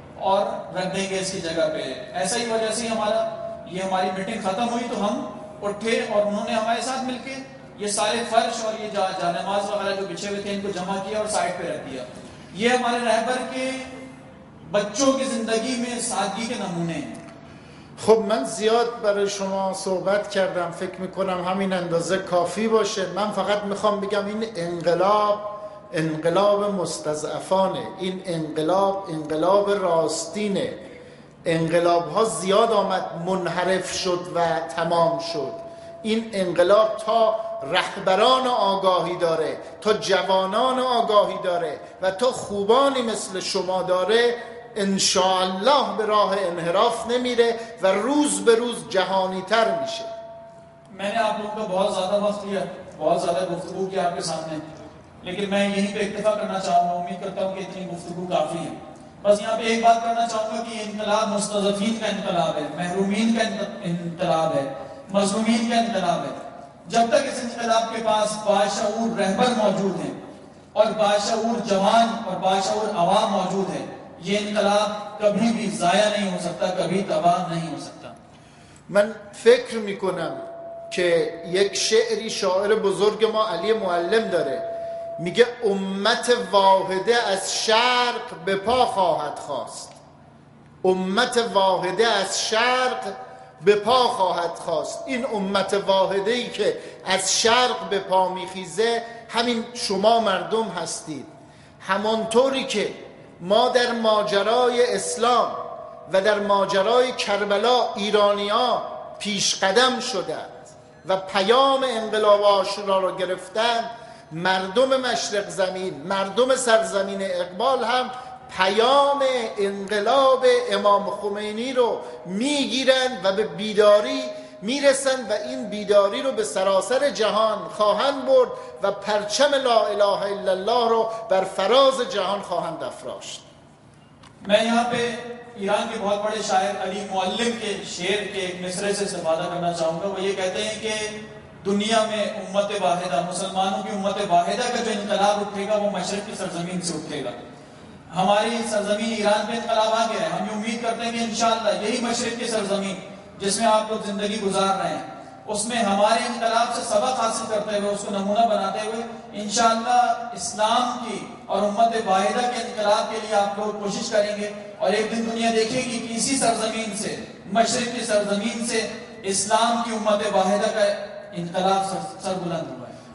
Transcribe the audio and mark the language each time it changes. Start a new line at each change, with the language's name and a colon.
Urdu: اور رکھ دیں گے اس کی جگہ پہ ایسا ہی وجہ سے ہمارا یہ ہماری میٹنگ ختم ہوئی تو ہم اٹھے اور انہوں نے ہمارے ساتھ مل کے یہ سارے فرش اور یہ جانماز وغیرہ جو بچھے ہوئے تھے ان کو جمع کیا اور سائڈ پہ رکھ دیا یہ ہمارے رہبر کے بچوں کی زندگی میں سادگی کے نمونے ہیں
Persian: خب من زیاد برای شما صحبت کردم فکر میکنم همین اندازه کافی باشه من فقط میخوام بگم این انقلاب انقلاب مستضعفانه این انقلاب انقلاب راستینه انقلاب ها زیاد آمد منحرف شد و تمام شد این انقلاب تا رهبران آگاهی داره تا جوانان آگاهی داره و تا خوبانی مثل شما داره انشاءالله به راه انحراف نمیره و روز به روز جهانی تر میشه
Urdu: من آپ لوگوں کو بہت زیادہ وقت دیا بہت زیادہ گفتگو کی آپ کے سامنے لیکن میں یہیں پہ اکتفا کرنا چاہوں گا امید کرتا ہوں کہ اتنی گفتگو کافی ہے بس یہاں پہ ایک بات کرنا چاہوں گا کہ انقلاب مستضعفین کا انقلاب ہے محرومین کا انقلاب ہے مظلومین کا انقلاب ہے جب تک اس انقلاب کے پاس باشعور رہبر موجود ہیں اور باشعور جوان اور باشعور عوام موجود ہیں یہ انقلاب کبھی بھی ضائع نہیں ہو سکتا کبھی تباہ نہیں ہو سکتا
Persian: من فکر میکنم که یک شعری شاعر بزرگ ما علی معلم داره میگه امت واحده از شرق به پا خواهد خواست امت واحده از شرق به پا خواهد خواست این امت واحده‌ای که از شرق به پا میخیزه همین شما مردم هستید همانطوری که ما در ماجرای اسلام و در ماجرای کربلا ایرانی ها پیش قدم شدند و پیام انقلاب عاشورا را گرفتند مردم مشرق زمین مردم سرزمین اقبال هم پیام انقلاب امام خمینی رو میگیرند و به بیداری میرسند و این بیداری رو به سراسر جهان خواهند برد و پرچم لا اله الا الله رو بر فراز جهان خواهند افراشت
Urdu: من یہاں پہ ایران کے بہت بڑے شاعر علی معلم کے شعر کے ایک مصرے سے استفادہ کرنا چاہوں گا وہ یہ کہتے ہیں کہ دنیا میں امت واحدہ مسلمانوں کی امت واحدہ کا جو انقلاب اٹھے گا وہ مشرق کی سرزمین سے اٹھے گا ہماری سرزمین ایران پہ انقلاب آ گیا ہے ہم یہ امید کرتے ہیں کہ انشاءاللہ یہی مشرق کی سرزمین جس میں آپ لوگ زندگی گزار رہے ہیں اس میں ہمارے انقلاب سے سبق حاصل کرتے ہوئے اس کو نمونہ بناتے ہوئے انشاءاللہ اسلام کی اور امت واحدہ کے انقلاب کے لیے آپ لوگ کوشش کریں گے اور ایک دن دنیا دیکھے گی کہ اسی سرزمین سے مشرق کی سرزمین سے اسلام کی امت واحدہ کا انقلاب سربلند ہوا ہے